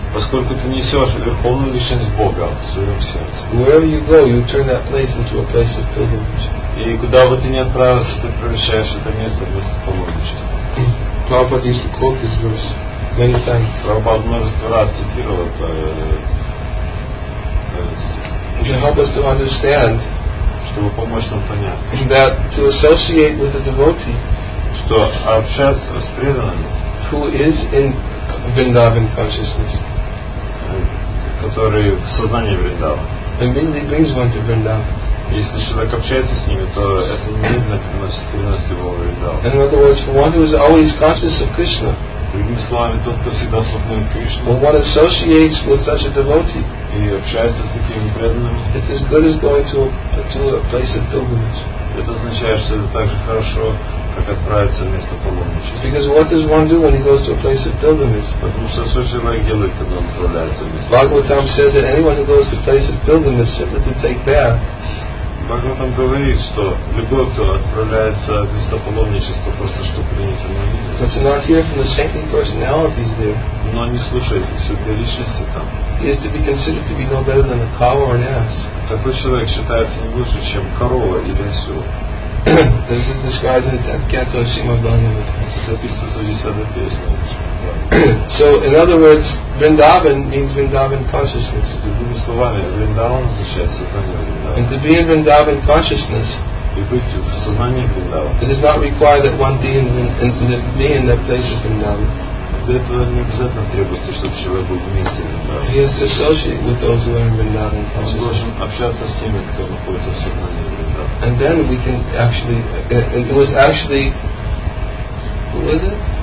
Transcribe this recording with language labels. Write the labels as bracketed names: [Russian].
[Russian] Поскольку ты несешь верховную личность Бога в своем сердце. [English] Wherever you go, you turn that place into a place of pilgrimage. [Russian] И куда бы ты ни отправился, ты превращаешь это место в место паломничества. [English] Prabhupada used to quote this verse many times. [Russian] Prabhupada множество раз цитировал это. [English] To help us to understand. [Russian] Чтобы помочь нам понять, [English] that to associate with a devotee, [Russian] что общаться с преданным, [English] who is in Vrindavan consciousness, [Russian] который в сознании [English] Вриндавана, brings one to Vrindavan. [Russian] Если человек общается с ними, то это немедленно приносит его в Вриндаван. [English] In other words, one who is always conscious of Krishna. [Russian] Другими словами, тот, кто всегда сознает Кришну. [English] But one associates with such a devotee. [Russian] И общается с таким преданным. [English] It's as good as going to a place of pilgrimage. [Russian] Это означает, что это так же хорошо, как отправиться в место паломничества. [English] Because what does one do when he goes to a place of pilgrimage? [Russian] Потому что что человек делает, когда он отправляется в место. [English] Bhagavatam says that anyone who goes to a place of pilgrimage simply to take bath. [Russian] Bhagavatam говорит, что любой, кто отправляется в место паломничества просто чтобы принять омовение. [English] But you're not hearing from the saintly personalities there. [Russian] Но не слушает святые личности там. [English] He is to be considered to be no better than a cow or an ass. [Russian] Такой человек считается не лучше, чем корова или осел. [English] This is described in the 10th canto of Srimad Bhagavatam. [Russian] Записывается в 10-й песне. [English] So, in other words, Vrindavan means Vrindavan consciousness. [Russian] Другими словами, Vrindavan означает сознание Vrindavan. [English] And to be in Vrindavan consciousness, [Russian] и быть в сознании Vrindavan, [English] it does not require that one be in that place of Vrindavan. [Russian] Это не обязательно требуется, чтобы человек был вместе Vrindavan. [English] He has to associate with those who are in Vrindavan consciousness. [Russian] Он должен общаться с теми, кто находится в сознании Vrindavan. [English] And then we can actually, it was actually, who was it?